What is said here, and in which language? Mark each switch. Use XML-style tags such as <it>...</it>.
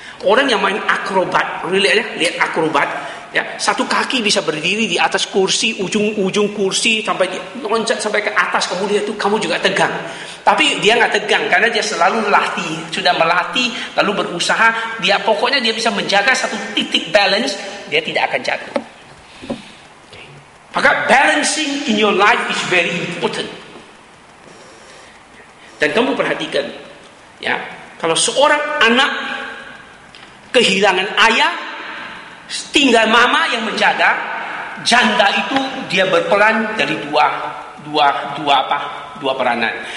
<id>Orang yang main akrobat, lihat akrobat. Ya, satu kaki bisa berdiri di atas kursi, ujung-ujung kursi sampai loncat sampai ke atas, kemudian itu kamu juga tegang. Tapi dia enggak tegang karena dia selalu latih, sudah melatih lalu berusaha, dia pokoknya dia bisa menjaga satu titik balance, dia tidak akan jatuh.</id> <en>Maka balancing in your life is very important.</en> <id>Dan kamu perhatikan, ya, kalau seorang anak kehilangan ayah, tinggal mama yang menjaga, janda itu dia berperan dari dua peranan.</id>